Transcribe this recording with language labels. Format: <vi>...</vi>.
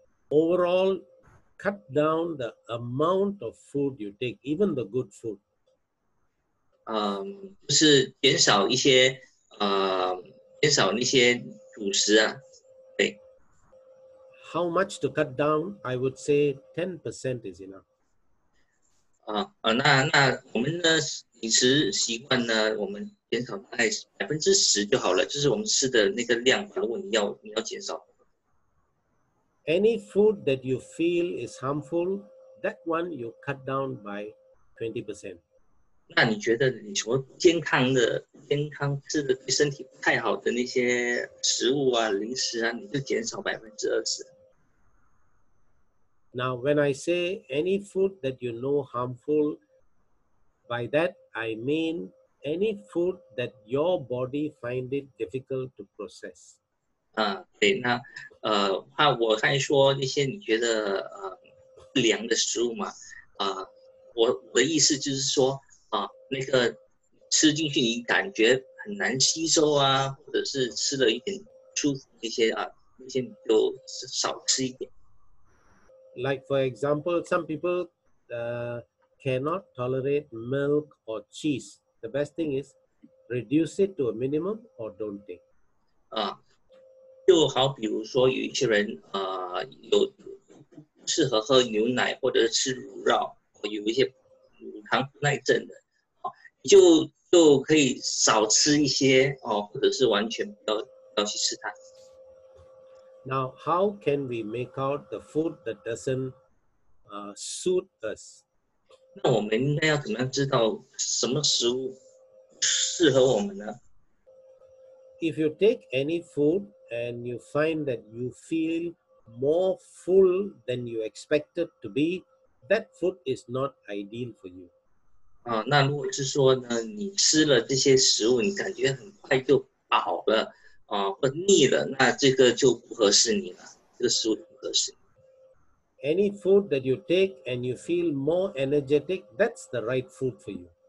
<en>Overall, cut down the amount of food you take, even the good food.</en> <zh>就是减少一些减少那些主食啊，对。</zh> <en>How much to cut down? I would say 10% is enough.</en> <zh>那我们的饮食习惯呢？我们减少大概10%就好了，就是我们吃的那个量。如果你要减少</zh> <en>，Any food that you feel is harmful, that one you cut down by 20%.</en> <zh>那你觉得你什么健康吃的对身体不太好的那些食物啊零食啊你就减少20%。</zh> <en>Now, when I say any food that you know harmful, by that I mean any food that your body find it difficult to process.</en> <zh>对那我刚才说那些你觉得不良的食物嘛我的意思就是说那个吃进去你感觉很难吸收啊，或者是吃了一点舒服一些啊，那些你就少吃一点。</zh> <en>Like for example, some people cannot tolerate milk or cheese. The best thing is reduce it to a minimum or don't take.</en> <zh>就好比如说有一些人有适合喝牛奶或者吃乳酪，或有一些乳糖不耐症的。就可以少吃一些或者是完全不要去吃它。</zh> <en>Now, how can we make out the food that doesn't suit us?</en> <zh>那我们应该要怎么样知道什么食物适合我们呢</zh> <en>？If you take any food and you find that you feel more full than you expected to be, that food is not ideal for you.</en> <zh>那如果是说呢，你吃了这些食物，你感觉很快就饱了，或腻了，那这个就不合适你了，这个食物不合适你。</zh> <en>Any food that you take and you feel more energetic, that's the right food for you.</en>